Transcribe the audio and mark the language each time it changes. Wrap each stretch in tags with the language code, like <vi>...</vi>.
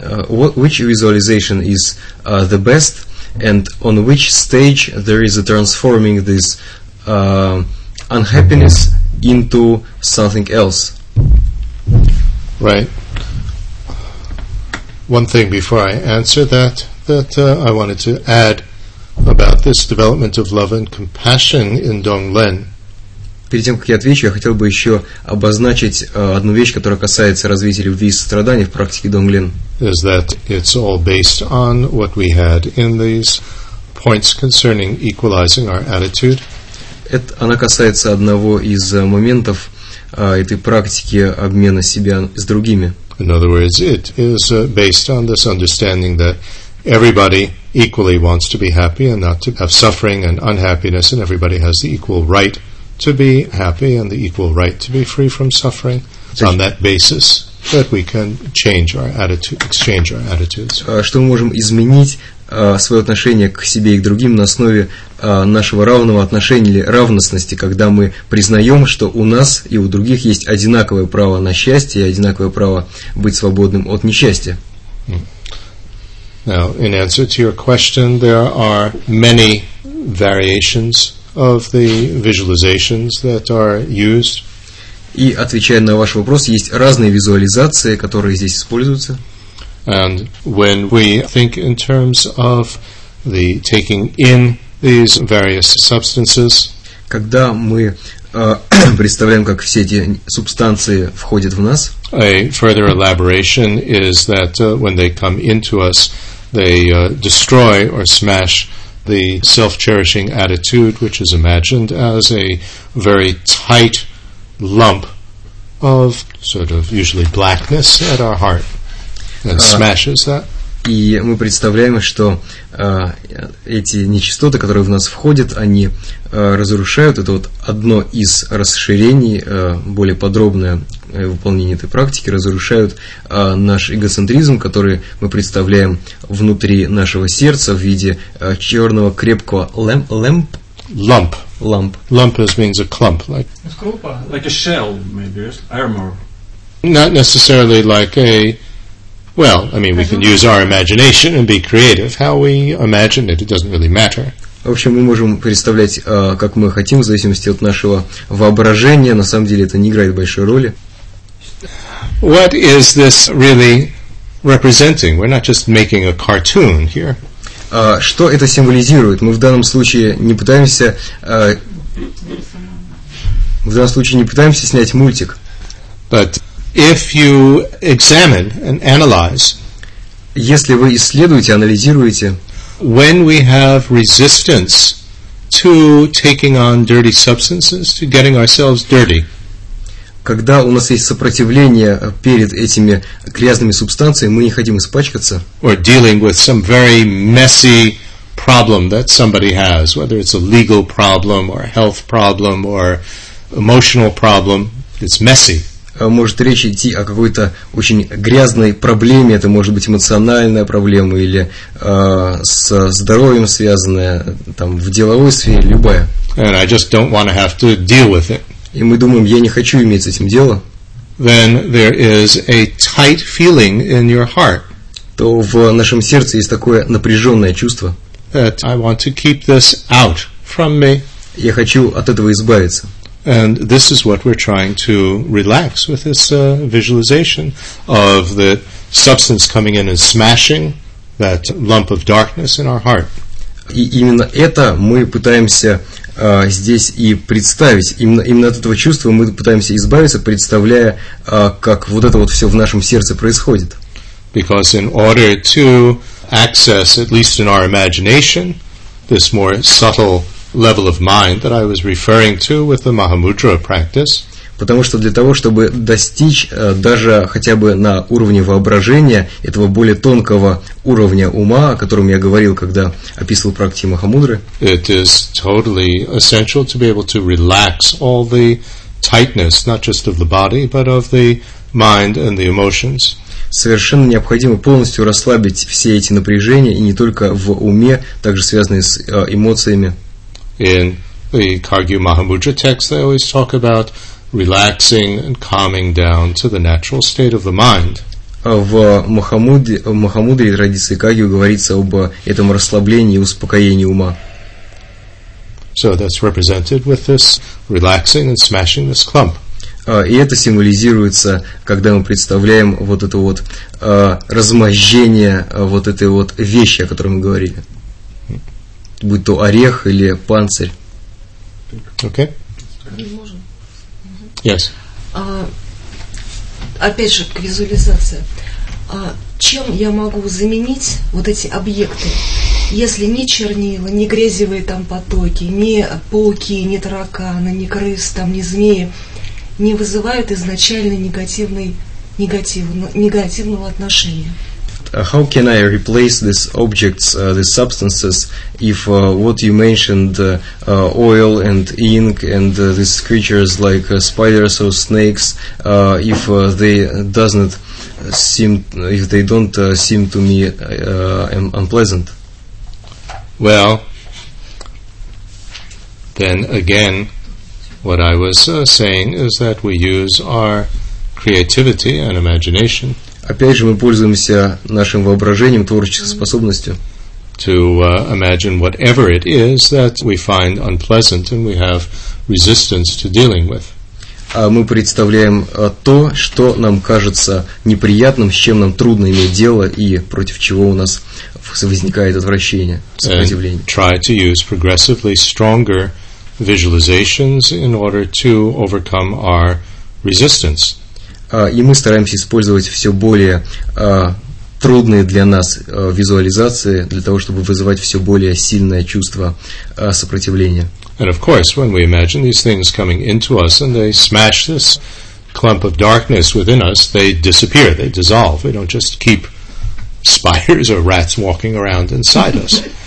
<en>Which visualization is the best, and on which stage there is a transforming this unhappiness into something else? Right. One thing before I answer that I wanted to add about this development of love and compassion in Donglen.</en> <ru>Перед тем, как я отвечу, я хотел бы еще обозначить одну вещь, которая касается развития любви и сострадания в практике Донглен.</ru> <en>Is that it's all based on what we had in these points concerning equalizing our attitude.</en> <ru>Это, она касается одного из моментов этой практики обмена себя с другими.</ru> <en>In other words, it is based on this understanding that everybody equally wants to be happy and not to have suffering and unhappiness, and everybody has the equal right to be happy and the equal right to be free from suffering. It's on that basis that we can change our attitude, exchange our attitudes.</en> <ru>Что мы можем изменить свое отношение к себе и к другим на основе нашего равного отношения или равностности, когда мы признаем, что у нас и у других есть одинаковое право на счастье и одинаковое право быть свободным от несчастья.</ru> <en>Now, in answer to your question, there are many variations of the visualizations that are used.</en> <ru>И, отвечая на ваш вопрос, есть разные визуализации, которые здесь используются.</ru> <en>And when we think in terms of the taking in these various substances,</en> <ru>когда мы представляем, как все эти субстанции входят в нас,</ru> <en>a further elaboration is that when they come into us, they destroy or smash the self-cherishing attitude, which is imagined as a very tight lump of sort of usually blackness at our heart, and smashes that.</en> <ru>И мы представляем, что эти нечистоты, которые в нас входят, они разрушают это вот одно из расширений, более подробное выполнение этой практики, разрушают наш эгоцентризм, который мы представляем внутри нашего сердца в виде черного крепкого</ru> <en>lump. Lump. Lump as means a clump, like skorupa, like a shell, maybe, armor. Not necessarily like a. Well, I mean, we can use our imagination and be creative. How we imagine it, it doesn't really matter.</en> <ru>В общем, мы можем представлять, как мы хотим, в зависимости от нашего воображения. На самом деле, это не играет большой роли.</ru> <en>What is this really representing? We're not just making a cartoon here.</en> <ru>Что это символизирует? Мы в данном случае не пытаемся снять мультик.</ru> <en>But if you examine and analyze,</en> <ru>если вы исследуете, анализируете,</ru> <en>when we have resistance to taking on dirty substances, to getting ourselves dirty,</en> <ru>когда у нас есть сопротивление перед этими грязными субстанциями, мы не хотим испачкаться.</ru> <en>Or dealing with some very messy problem that somebody has, whether it's a legal problem or a health problem or emotional problem, it's messy.</en> <ru>Может речь идти о какой-то очень грязной проблеме, это может быть эмоциональная проблема или со здоровьем связанная, там, в деловой сфере, любая.</ru> <en>And I just don't want to have to deal with it.</en> <ru>И мы думаем, я не хочу иметь с этим дело.</ru> <en>Then there is a tight feeling in your heart.</en> <ru>То в нашем сердце есть такое напряженное чувство.</ru> <en>That I want to keep this out from me.</en> <ru>Я хочу от этого избавиться.</ru> <en>And this is what we're trying to relax with this visualization of the substance coming in and smashing that lump of darkness in our heart.</en> <ru>И именно это мы пытаемся здесь и представить. Именно от этого чувства мы пытаемся избавиться, представляя, как вот это вот все в нашем сердце происходит.</ru> <en>Because in order to access, at least in our imagination, this more subtle level of mind that I was referring to with the Mahamudra practice.</en> <ru>Потому что для того, чтобы достичь даже хотя бы на уровне воображения этого более тонкого уровня ума, о котором я говорил, когда описывал практики Махамудры,</ru> <en>it is totally essential to be able to relax all the tightness, not just of the body, but of the mind and the emotions.</en> <ru>Совершенно необходимо полностью расслабить все эти напряжения, и не только в уме, также связанные с эмоциями.</ru> <en>In the Kagyu Mahamudra text, they always talk about relaxing and calming down to the natural state of the mind.</en> <ru>В Махамудре традиции Кагью говорится об этом расслаблении и успокоении ума.</ru> <en>So that's represented with this relaxing and smashing this clump.</en> <ru>И это символизируется, когда мы представляем вот это вот размозжение вот этой вот вещи, о которой мы говорили. Будь то орех или панцирь.</ru> <en>Okay. Yes.</en> <ru>Опять же, к визуализации. Чем я могу заменить вот эти объекты? Если ни чернила, ни грязевые там потоки, ни пауки, ни тараканы, ни крыс, там, ни змеи не вызывают изначально негативного отношения.</ru> <en>How can I replace these objects, these substances, if what you mentioned, oil and ink and these creatures like spiders or snakes, if they doesn't seem, if they don't seem to me unpleasant? Well, then again, what I was saying is that we use our creativity and imagination.</en> <ru>Опять же, мы пользуемся нашим воображением, творческой способностью.</ru> <en>To imagine whatever it is that we find unpleasant and we have resistance to dealing with.</en> <ru>А мы представляем то, что нам кажется неприятным, с чем нам трудно иметь дело и против чего у нас возникает отвращение, сопротивление.</ru> <en>And try to use progressively stronger visualizations in order to overcome our resistance.</en> <ru>И мы стараемся использовать все более трудные для нас визуализации для того, чтобы вызывать все более сильное чувство сопротивления.</ru> <en>And of course, when we imagine these things coming into us and they smash this clump of darkness within us, they disappear, they dissolve. We don't just keep spiders or rats walking around inside us.</en>